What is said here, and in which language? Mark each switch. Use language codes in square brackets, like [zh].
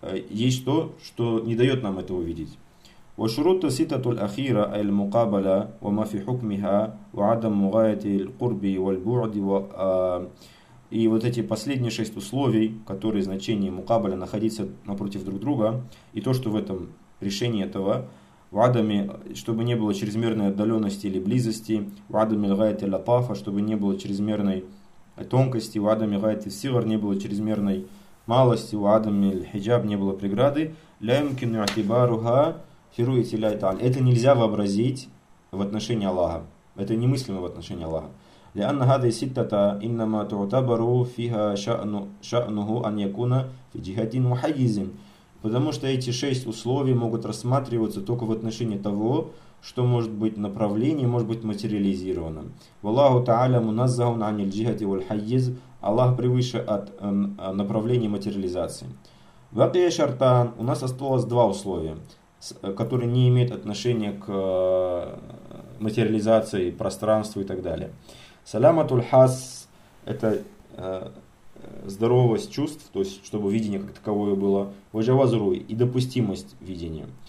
[ru] есть то, что не дает нам это увидеть. [ar] وشروط الستة الأخيرة المقابلة وما في حكمها وعدم مغاية القرب والبعد و, [ru] и вот эти последние шесть условий, которые значение мукабаля находиться напротив друг друга, и то, что в этом решении этого, [ar] وعدم, [ru] чтобы не было чрезмерной отдаленности или близости, [ar] وعدم غاية اللطافة, [ru] чтобы не было чрезмерной тонкости, [ar] وعدم غاية الصغر, [ru] не было чрезмерной малости, [ar] وعدم الحجاب, [ru] не было преграды, [ar] لا يمكن اعتبارها. [ru] Это нельзя вообразить в отношении Аллаха. Это немыслимо в отношении Аллаха. [ar] لأن هذه الستة إنما تعتبر فيها شأنه أن يكون في جهة وحيز. [ru] Потому что эти шесть условий могут рассматриваться только в отношении того, что может быть направлением, может быть материализированным. [ar] والله تعالى منزه عن الجهة والحيز. [ru] Аллах превыше от направления материализации. [ar] بقي شرطان. [ru] У нас осталось два условия, который не имеет отношения к материализации пространства и так далее. [ar] Саламатул хас [ru] – это здоровость чувств, то есть чтобы видение как таковое было, ваджавазруй – и допустимость видения.